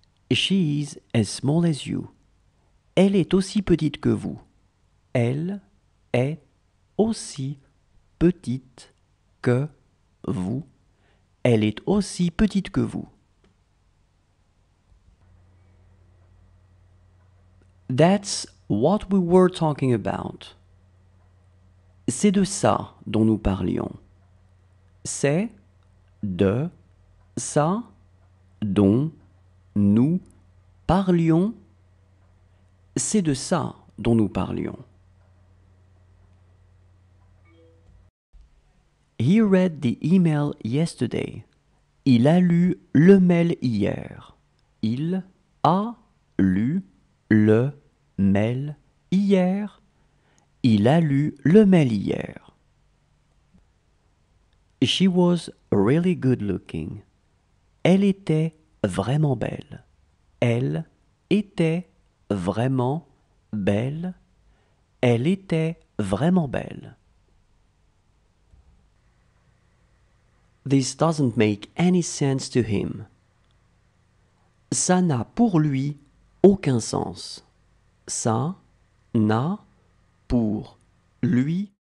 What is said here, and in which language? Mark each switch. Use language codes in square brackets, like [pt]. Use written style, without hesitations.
[en] She is as small as you. [fr] Elle est aussi petite que vous. Elle est aussi petite que vous. Elle est aussi petite que vous. [en] That's what we were talking about. [fr] C'est de ça dont nous parlions. C'est de ça dont nous parlions. C'est de ça dont nous parlions. [en] He read the email yesterday. [fr] Il a lu le mail hier. Il a lu le mail hier. Il a lu le mail hier. [en] She was really good looking. [fr] Elle était vraiment belle. Elle était vraiment belle. Elle était vraiment belle. [en] This doesn't make any sense to him. [fr] Ça n'a pour lui aucun sens. Ça n'a pour lui aucun sens.